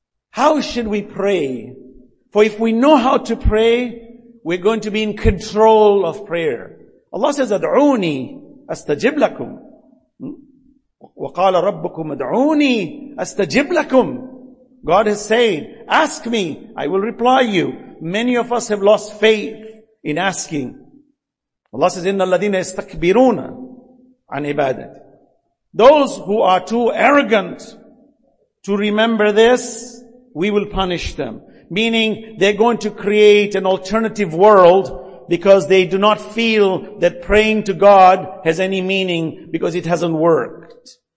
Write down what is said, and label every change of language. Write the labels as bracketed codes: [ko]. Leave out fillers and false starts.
[en] How should we pray? For if we know how to pray, we're going to be in control of prayer. Allah says, [ar] ad'uni astajib lakum. وَقَالَ رَبُّكُمْ ادْعُونِي أَسْتَجِبْ لَكُمْ. [en] God has said, ask me, I will reply you. Many of us have lost faith in asking. Allah says, [ar] إِنَّ الَّذِينَ يَسْتَكْبِرُونَ عَنْ عِبَادَةِ. [en] Those who are too arrogant to remember this, we will punish them. Meaning, they're going to create an alternative world because they do not feel that praying to God has any meaning because it hasn't worked.